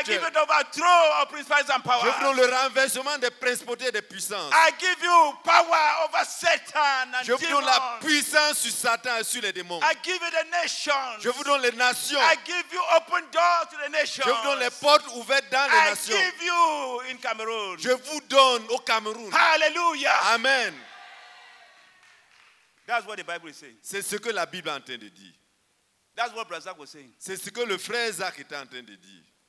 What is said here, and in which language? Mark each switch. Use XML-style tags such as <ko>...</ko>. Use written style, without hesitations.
<en>I give you the overthrow of principalities and power.</en> <fr>Je vous donne le renversement des principautés et des puissances.</fr> <en>I give you power over Satan and</en> <fr>je vous donne la puissance sur Satan et sur les démons.</fr> <en>I give you the nations.</en> <fr>Je vous donne les nations.</fr> <en>I give you open doors to the nations.</en> <fr>Je vous donne les portes ouvertes dans les nations.</fr> <en>I give you in Cameroon.</en> <fr>Je vous donne au Cameroun. Hallelujah. Amen.</fr> <en>That's what the Bible is saying.</en> <fr>C'est ce que la Bible est en train de dire.</fr> <en>That's what Brother Zach was saying.</en> <fr>C'est ce que le frère Zach était en train de dire.</fr>